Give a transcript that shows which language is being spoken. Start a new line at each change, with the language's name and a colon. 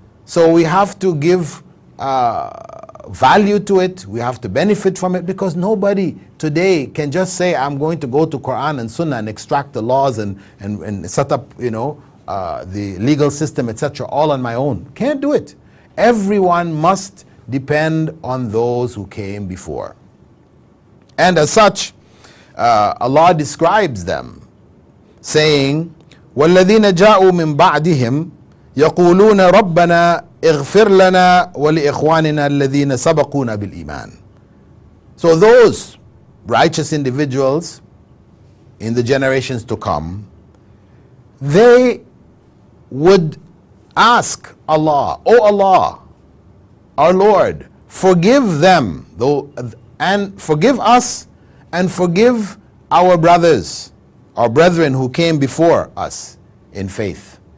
English: So we have to give value to it, we have to benefit from it, because nobody today can just say, I'm going to go to Quran and Sunnah and extract the laws and set up, you know, the legal system, etc., all on my own. Can't do it. Everyone must depend on those who came before. And as such, Allah describes them, saying,
Arabic: وَالَّذِينَ جَاءُوا مِن بَعْدِهِمْ يَقُولُونَ رَبَّنَا اغْفِرْ لَنَا وَلِإِخْوَانِنَا الَّذِينَ سَبَقُونَا بِالْإِيمَانِ.
English: So those righteous individuals in the generations to come, they would ask Allah, O Allah, our Lord, forgive them, though, and forgive us, and forgive our brothers, our brethren who came before us. in faith.